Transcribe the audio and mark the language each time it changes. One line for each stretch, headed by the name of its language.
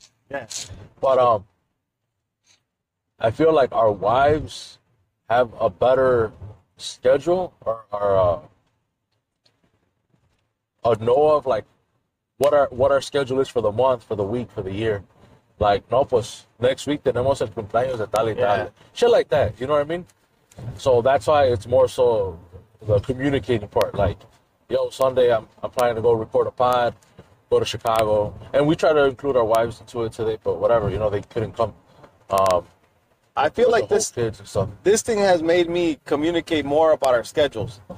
English: Yeah. But, I feel like our wives have a better schedule or know of, like, what our schedule is for the month, for the week, for the year.
Spanish: Like, no, pues,
English: next week
Spanish: tenemos el cumpleaños de tal y tal.
English: Shit like that, you know what I mean? So that's why it's more so the communicating part. Like, yo, Sunday I'm planning to go record a pod, go to Chicago. And we try to include our wives into it today, but whatever, you know, they couldn't come. I feel like this thing has made me communicate more about our schedules.